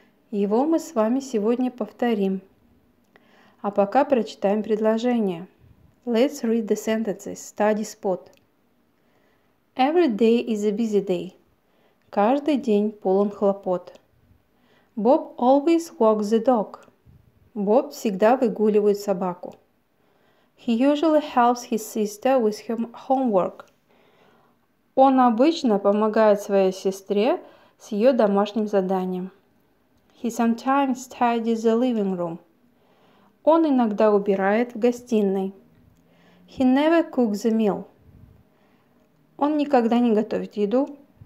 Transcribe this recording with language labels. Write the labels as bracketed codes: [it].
[ru] Его мы с вами сегодня повторим. А пока прочитаем предложение. [en] Let's read the sentences. Study spot. Every day is a busy day. [ru] Каждый день полон хлопот. [en] Bob always walks the dog. [ru] Bob всегда выгуливает собаку. [en] He usually helps his sister with her homework. [ru] Он обычно помогает своей сестре с ее домашним заданием. [en] He sometimes tidies the living room. [ru] Он иногда убирает в гостиной. [en] He never cooks a meal. [ru] Он никогда не готовит еду.